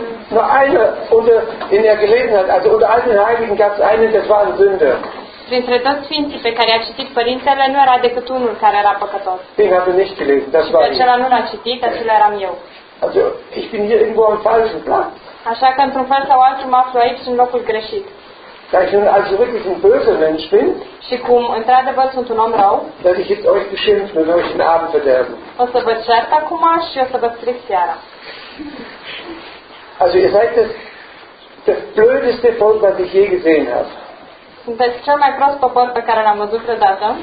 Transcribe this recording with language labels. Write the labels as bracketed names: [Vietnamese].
[German] Nur einer unter, den er gelesen hat, also unter all den Heiligen gab es einen, das war ein Sünder. [Romanian] Printre toți sfinții pe care a citit părintele, nu era decât unul care era păcătos. [German] Den habe nicht gelesen, das war ich. [Romanian] Acela nu l-a citit, acela eram eu. [German] Also, ich bin hier irgendwo am falschen Platz. [Romanian] Așa că, într-un fel sau altul, mă aflu aici în locul greșit. [German] Da ich nun also wirklich ein böser Mensch bin, [Romanian] și cum, într-adevăr, sunt un om rău, [German] dass ich jetzt euch beschimpfe und euch den Abend verderbe. [Romanian] O să vă cert acum și o să vă stric seara. [German] Also ihr seid das blödeste Volk, was ich je gesehen habe. [Romanian] Sunteți cel mai prost popor pe care l-am văzut vreodată.